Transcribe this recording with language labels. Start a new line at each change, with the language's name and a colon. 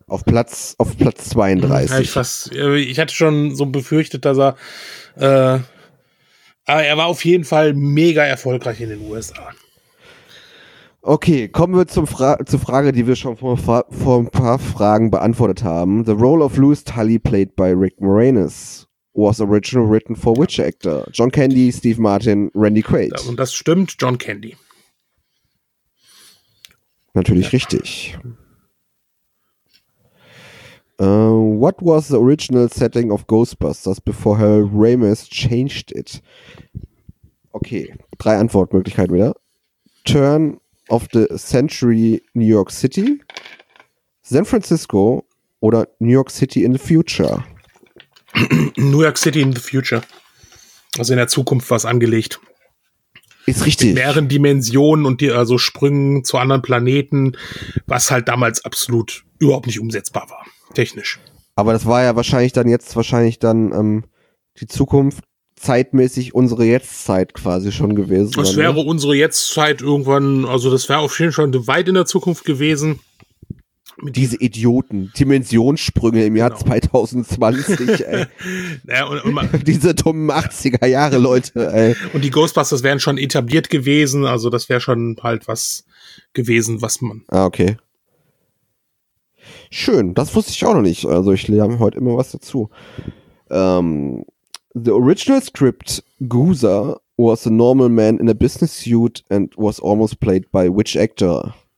German: auf Platz 32. Ich hatte schon so befürchtet, dass er aber er war auf jeden Fall mega erfolgreich in den USA. Okay, kommen wir zur Frage, die wir schon vor ein paar Fragen beantwortet haben.
English: The role of Louis Tully, played by Rick Moranis, was originally written for which actor?
German: John Candy, Steve Martin, Randy Quaid. Und das stimmt, John Candy. Natürlich richtig.
English: What was the original setting of Ghostbusters before Harold Ramis changed it?
German: Okay, drei Antwortmöglichkeiten wieder.
English: Turn of the century New York City, San Francisco oder New York City in the future? New York City in the future.
German: Also in der Zukunft war es angelegt. Ist richtig. Mit mehreren Dimensionen und die also Sprüngen zu anderen Planeten, was halt damals absolut überhaupt nicht umsetzbar war. Technisch. Aber das war ja wahrscheinlich dann die Zukunft zeitmäßig unsere Jetztzeit quasi schon gewesen. Das wäre unsere Jetztzeit irgendwann, also das wäre auf jeden Fall weit in der Zukunft gewesen. Diese Idioten, Dimensionssprünge im Jahr 2020, ey. Naja, diese dummen 80er Jahre, Leute, ey. Und die Ghostbusters wären schon etabliert gewesen, also das wäre schon halt was gewesen, was man. Ah, okay. Schön, das wusste ich auch noch nicht. Also ich lerne heute immer was dazu.
English: The original script, Goozer, was a normal man in a business suit and was almost played by which actor?